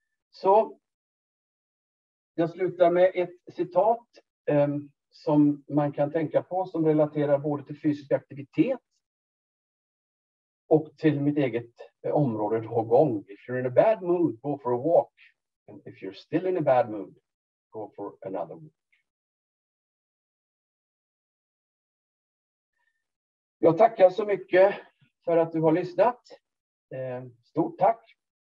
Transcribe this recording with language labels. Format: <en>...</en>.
<sv>Så jag slutar med ett citat som man kan tänka på som relaterar både till fysisk aktivitet och till mitt eget område då gång.</sv> <en>If you're in a bad mood, go for a walk. And if you're still in a bad mood, go for another walk.</en> <sv>Jag tackar så mycket för att du har lyssnat. Stort tack</sv>